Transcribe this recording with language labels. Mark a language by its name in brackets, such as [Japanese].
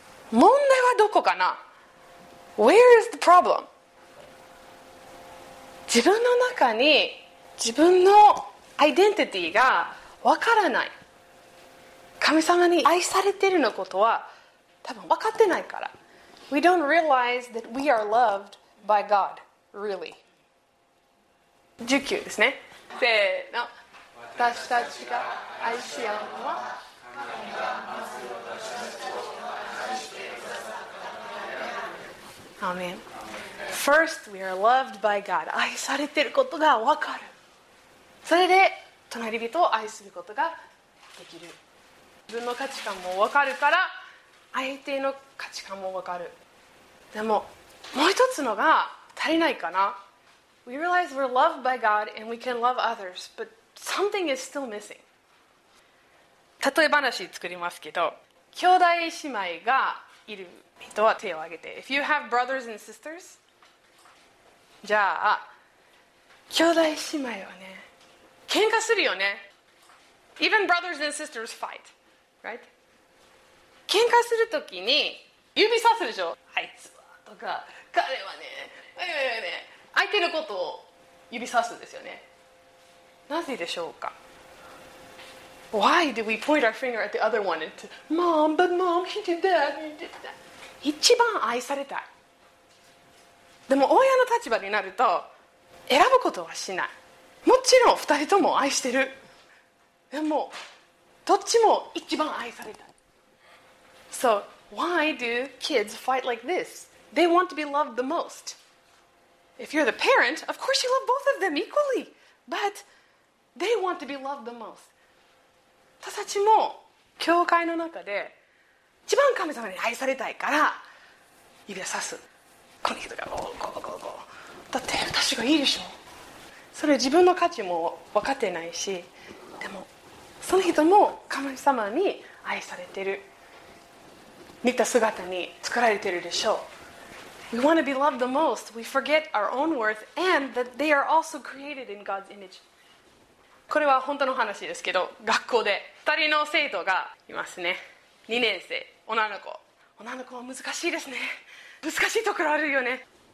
[Japanese] 問題はどこかな。 [English] Where is the problem? [Japanese] 自分の中に自分のアイデンティティがわからない。神様に愛されているのことは多分分かってないから。 [English] We don't realize that we are loved by God, really. [Japanese] 19ですね。せーの。私たちが愛し合うのは、 [English] アーメン。First, we are loved by God. [Japanese] 愛されてることがわかる。それで隣人を愛することができる。自分の価値観もわかるから、相手の価値観もわかる。でも、もう一つのが足りないかな。 [English] We realize we're loved by God and we can love others, but something is still missing. [Japanese] 例え話作りますけど、兄弟姉妹がいる人は手を挙げて。 [English] If you have brothers and sisters? [Japanese] じゃあ、兄弟姉妹はね、喧嘩するよね。 [English] Even brothers and sisters fight, right? [Japanese] 喧嘩するときに、指さすでしょ。あいつはとか、彼はね、相手のことを指さすんですよね。なぜでしょうか。 [English] Why do we point our finger at the other one and to Mom, but Mom, he did that, he did that. [Japanese] 一番愛されたい。でも親の立場になると選ぶことはしない。もちろん二人とも愛してる。でもどっちも一番愛されたい。 [English] So why do kids fight like this? They want to be loved the most. If you're the parent, of course you love both of them equally, But they want to be loved the most. [Japanese] 私たちも教会の中で一番神様に愛されたいから指を指す。この人がこうこうこうこう。だって私がいいでしょ。それ自分の価値も分かってないし、でもその人も神様に愛されてる。似た姿に作られてるでしょう。 [English] We want to be loved the most. We forget our own worth and that they are also created in God's image. [Japanese] これは本当の話ですけど、学校で2人の生徒がいますね。 2年生、女の子。女の子は難しいですね。難しいところあるよね。